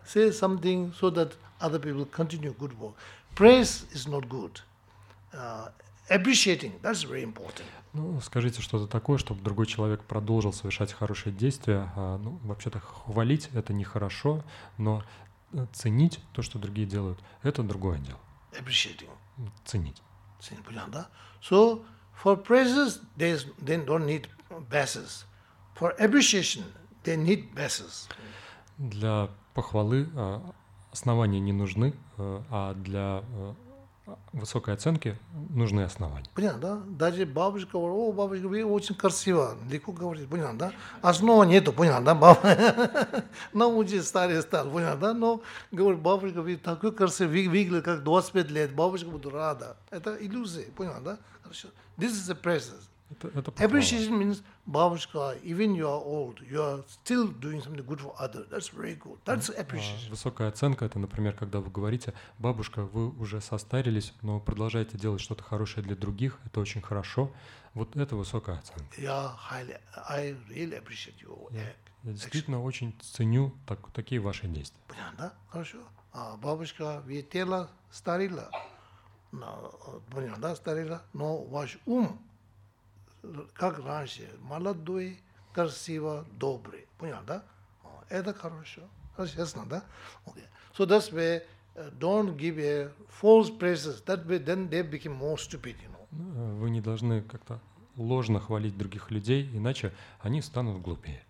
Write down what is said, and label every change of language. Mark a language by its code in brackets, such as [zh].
[en] Say something so that other people continue good work. Praise is not good. Appreciating, that's very important. [ru] Ну, скажите что-то такое, чтобы другой человек продолжил совершать хорошие действия. Ну, вообще-то хвалить – это нехорошо, но ценить то, что другие делают – это другое дело. [en] Appreciating. [ru] Ценить. Ценить, понял, да? [en] So, for praises, they don't need basis. For appreciation, they need basis. [ru] Для похвалы основания не нужны, а для высокой оценки нужны основания. Понятно, да? Даже бабушка говорит, о, бабушка, вы очень красиво, легко говорить, понятно, да? Основа нету, понятно, да, бабушка? Научи старый стал, понятно, да? Но, говорит, бабушка, вы такой красивый, вы выглядели, как 25 лет, бабушка будет рада. Это иллюзия, понятно, да? Хорошо. [en] This is the process. [ru] Это [en] appreciation means, бабушка, even you are old, you are still doing something good for others. That's very good. That's appreciation. [ru] Высокая оценка – это, например, когда вы говорите, бабушка, вы уже состарились, но продолжаете делать что-то хорошее для других, это очень хорошо. Вот это высокая оценка. [en] I really appreciate you. [ru] Я действительно очень ценю такие ваши действия. Понятно, да? Хорошо. А бабушка, вы тело старило. Понятно, да, старило. Но ваш ум, как раньше, молодой, красиво, добрый. Понял, да? Это хорошо. Хорошо, ясно, да? Okay. [en] So that's why don't give a false praises. That way then they become more stupid, you know. [ru] Вы не должны как-то ложно хвалить других людей, иначе они станут глупее.